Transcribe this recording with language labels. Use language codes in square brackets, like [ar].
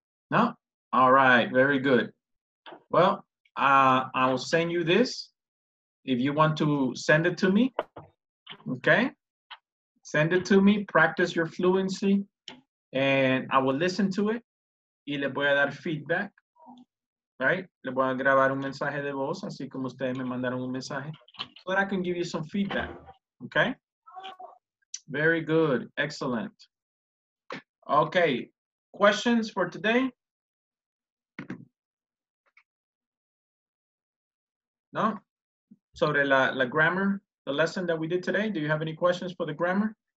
[en] No? All right, very good. Well, I will send you this if you want to send it to me. Okay? Send it to me, practice your fluency, and I will listen to it. [es] Y le voy a dar feedback. Right? Le voy a grabar un mensaje de voz, así como ustedes me mandaron un mensaje. [en] So that I can give you some feedback. Okay? Very good. Excellent. Okay. Questions for today? No? [es] Sobre la, la [en] grammar, the lesson that we did today, do you have any questions for the grammar?